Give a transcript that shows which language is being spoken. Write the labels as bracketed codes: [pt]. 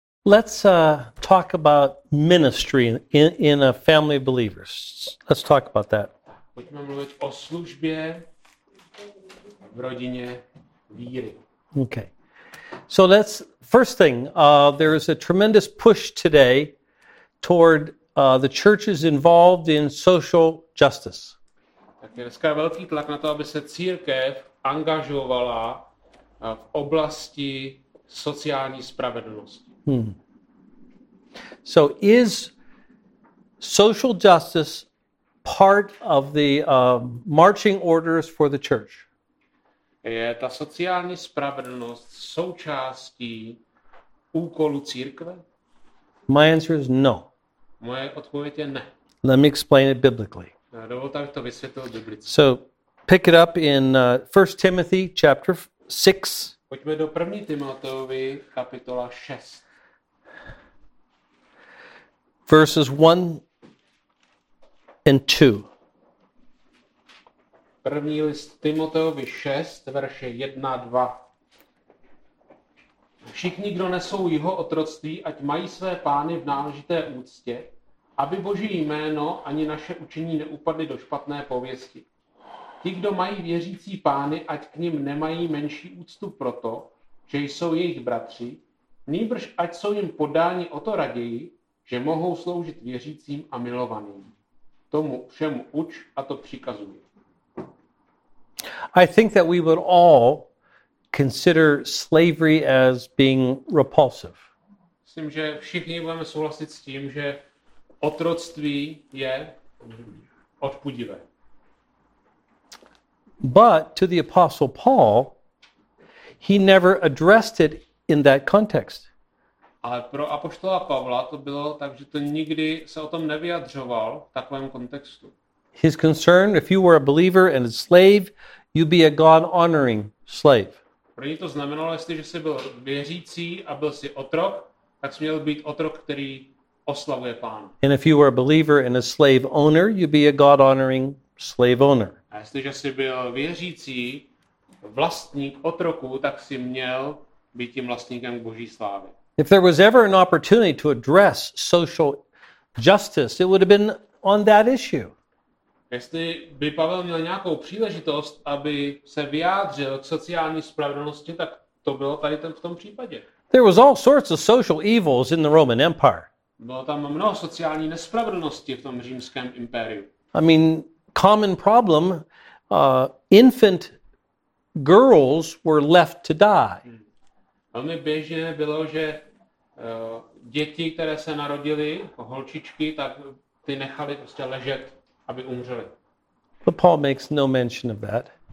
[en] Let's talk about ministry in a family of believers. Let's talk about that. [cs] Pojďme mluvit o službě v rodině víry. [en] Okay. So that's first thing. There is a tremendous push today toward the churches involved in social justice. [cs] Tak je dneska velký tlak na to, aby se církev angažovala v oblasti sociální spravedlnosti. [en] So is social justice part of the marching orders for the church? [cs] Je ta sociální spravedlnost součástí úkolu církve? [en] My answer is no. [cs] Moje odpověď je ne. [en] Let me explain it biblically. [cs] Dovolte, abych to vysvětlil biblicky. [en] So pick it up in 1 Timothy chapter 6. [cs] Pojďme do 1. Timoteovi kapitola 6. [en] Verses 1 and 2. [cs] První list Timoteovi 6, verše 1 a 2. Všichni, kdo nesou jeho otroctví, ať mají své pány v náležité úctě, aby Boží jméno ani naše učení neupadly do špatné pověsti. Ti, kdo mají věřící pány, ať k nim nemají menší úctu proto, že jsou jejich bratři, nýbrž ať jsou jim podáni o to raději, že mohou sloužit věřícím a milovaným. Tomu všemu uč a to přikazuje. [en] I think that we would all consider slavery as being repulsive. [cs] Myslím, že všichni budeme souhlasit s tím, že otroctví je odpudivé. [en] But to the Apostle Paul, he never addressed it in that context. [cs] Ale pro apoštola Pavla to bylo tak, že to nikdy se o tom nevyjadřoval v takovém kontextu. [en] His concern, if you were a believer and a slave, you'd be a God-honoring slave. [cs] Pro něj to znamenalo, jestliže jsi byl věřící a byl jsi otrok, tak jsi měl být otrok, který oslavuje Pána. [en] And if you were a believer and a slave owner, you'd be a God-honoring slave owner. [cs] A jestliže jsi byl věřící vlastník otroku, tak jsi měl být tím vlastníkem Boží slávy. [en] If there was ever an opportunity to address social justice, it would have been on that issue. [cs] Jestli by Pavel měl nějakou příležitost, aby se vyjádřil k sociální spravedlnosti, tak to bylo tady v tom případě. [en] There was all sorts of social evils in the Roman Empire. [cs] Bylo tam mnoho sociální nespravedlnosti v tom římském impériu. [en] I mean, common problem, infant girls were left to die. [cs] Velmi běžné bylo, že děti, které se narodily, holčičky, tak ty nechali prostě ležet, aby umřeli. [en] But Paul makes no mention of that.